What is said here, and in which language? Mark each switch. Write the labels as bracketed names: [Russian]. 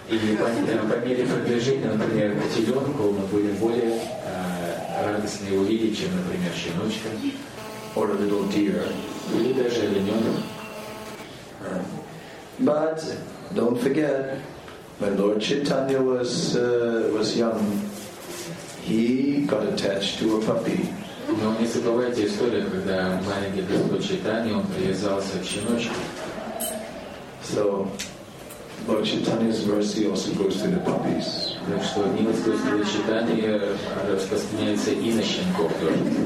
[Russian] И по мере продвижения, например, котеленку мы будем более радостно его видеть, чем, например, щеночка. [English] Or a little deer. [Russian] Или даже олененок. [English] But don't forget, when Lord Chaitanya was young, he got attached to a puppy. [Russian] Но не забывайте историю, когда маленький Господь Чайтанья, он привязался к щеночку. [English] So Lord Chaitanya's mercy also goes to the puppies. [Russian] Так что милость Господа Чайтанья распространяется и на щенков тоже.